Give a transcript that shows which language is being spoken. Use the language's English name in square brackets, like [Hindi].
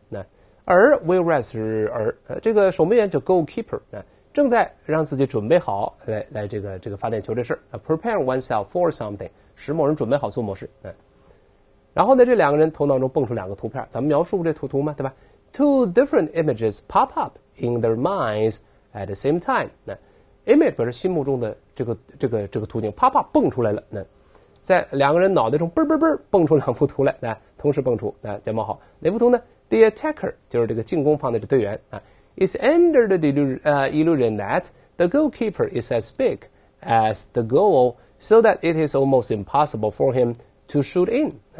[Chinese] 那而 will rest 是而这个守门员叫 goalkeeper， 正在让自己准备好来这个罚点球这事。 [English] prepare oneself for something， [Chinese] 使某人准备好做某事。然后呢，这两个人头脑中蹦出两个图片，咱们描述这图嘛，对吧？ [English] Two different images pop up in their minds at the same time。 [Chinese] 那 image 表示心目中的这个图景， pop up 蹦出来了，那在两个人脑袋中嘣嘣嘣蹦出两幅图来，同时蹦出，叫冒号，哪幅图呢？ [English] The attacker [Chinese] 就是这个进攻方的这队员 [English] is under the illusion that the goalkeeper is as big as the goal so that it is almost impossible for him to shoot in。